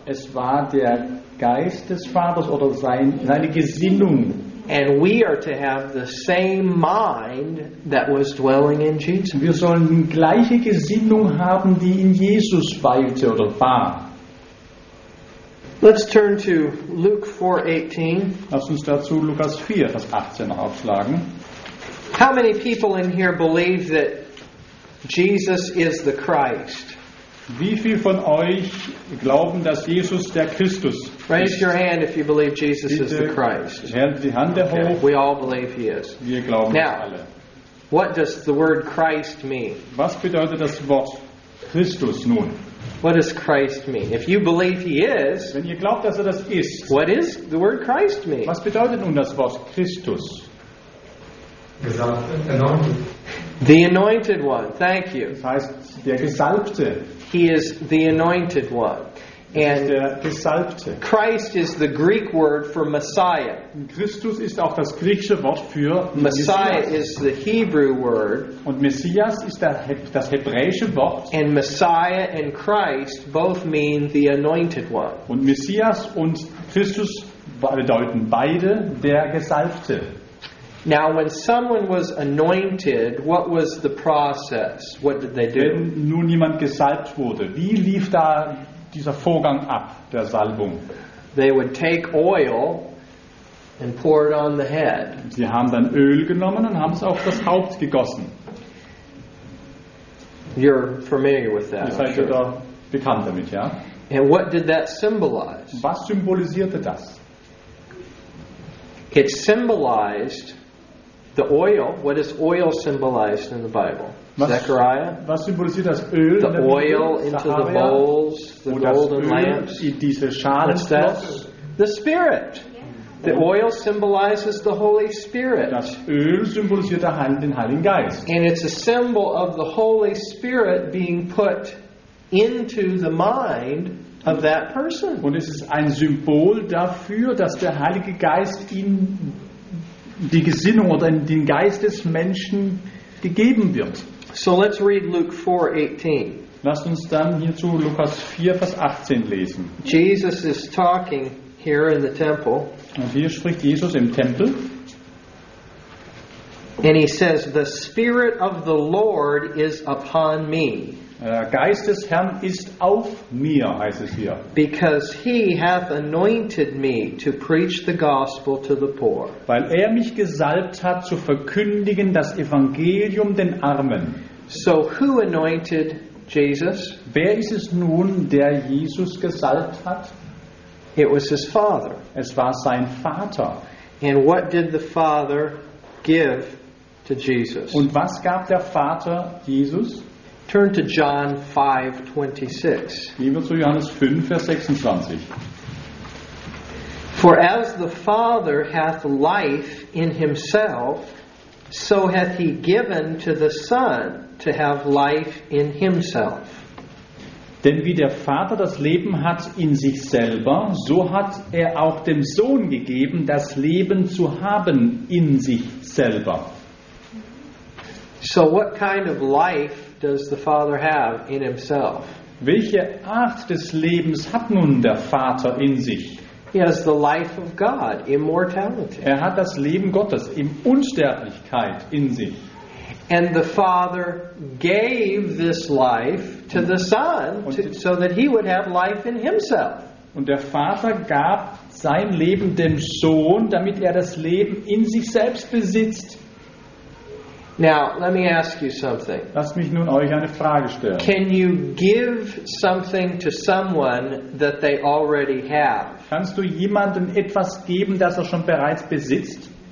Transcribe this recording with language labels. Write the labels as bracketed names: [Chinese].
[German] Es war der Geist des Vaters oder seine Gesinnung. [English] And we are to have the same mind that was dwelling in Jesus. [German] Wir sollen die gleiche Gesinnung haben, die in Jesus weilte oder war. [English] Let's turn to Luke 4:18. [German] Lass uns dazu Lukas 4, Vers 18 aufschlagen. [English] How many people in here believe that Jesus is the Christ? [German] Wie viel von euch glauben, dass Jesus der Christus ist? [English] Raise your hand if you believe Jesus is the Christ. [German] Die Hand hoch. Okay. [English] We all believe he is. [German] Wir glauben [English] Now, [German] alle. [English] What does the word Christ mean? [German] Was bedeutet das Wort Christus nun? [English] What does Christ mean? If you believe he is, [German] wenn ihr glaubt, dass das ist, [English] what is the word Christ mean? [German] Was bedeutet nun das Wort Christus? [English] The anointed one. Thank you. [German] Das heißt, der Gesalbte. [English] He is the anointed one. And [German] der Gesalbte. [English] Christ is the Greek word for Messiah. [German] Christus ist auch das griechische Wort für [English] Messiah. [German] Messias [English] is the Hebrew word. [German] Und Messias ist das hebräische Wort. [English] And Messiah and Christ both mean the anointed one. [German] Und Messias und Christus bedeuten beide der Gesalbte. [English] Now, when someone was anointed, what was the process? What did they do? [German] Wenn nun jemand gesalbt wurde, wie lief da dieser Vorgang ab, der Salbung? [English] They would take oil and pour it on the head. [German] Sie haben dann Öl genommen und haben es auf das Haupt gegossen. [English] You're familiar with that. [German] Ihr seid ja da bekannt damit, ja? [English] And what did that symbolize? [German] Was symbolisierte das? [English] It symbolized The oil, what is oil symbolized in the Bible? Zechariah. [German] Was symbolisiert das Öl? [English] The oil into the bowls, the golden lamps. [German] In diese Schalen. [English] That's the Spirit. The oil symbolizes the Holy Spirit. [German] Das Öl symbolisiert den Heiligen Geist. [English] And it's a symbol of the Holy Spirit being put into the mind of that person. [German] Und es ist ein Symbol dafür, dass der Heilige Geist in die Gesinnung oder in den Geist des Menschen gegeben wird. [English] So let's read Luke 4:18. [German] Lasst uns dann hierzu Lukas 4, Vers 18 lesen. [English] Jesus is talking here in the temple. [German] Und hier spricht Jesus im Tempel. [English] And he says, "The Spirit of the Lord is upon me." [German] Der Geist des Herrn ist auf mir, heißt es hier. [English] Because he hath anointed me to preach the gospel to the poor. [German] Weil mich gesalbt hat zu verkündigen das Evangelium den Armen. [English] So who anointed Jesus? [German] Wer ist es nun, der Jesus gesalbt hat? [English] It was his father. [German] Es war sein Vater. [English] And what did the father give to Jesus? [German] Und was gab der Vater Jesus? [English] Turn to John 5:26. [German] Gehen wir zu Johannes 5, Vers 26. [English] For as the Father hath life in himself, so hath he given to the Son to have life in himself. [German] Denn wie der Vater das Leben hat in sich selber, so hat auch dem Sohn gegeben, das Leben zu haben in sich selber. [English] So what kind of life does the Father have in himself? [German] Welche Art des Lebens hat nun der Vater in sich? [English] He has the life of God, immortality. [German] Hat das Leben Gottes in Unsterblichkeit in sich. [English] And the Father gave this life to the Son so that he would have life in himself. [German] Und der Vater gab sein Leben dem Sohn, damit das Leben in sich selbst besitzt. [English] Now, let me ask you something. [German] Lass mich nun euch eine Frage stellen. [English] Can you give something to someone that they already have? [German] Kannst du jemandem etwas geben, das schon bereits besitzt?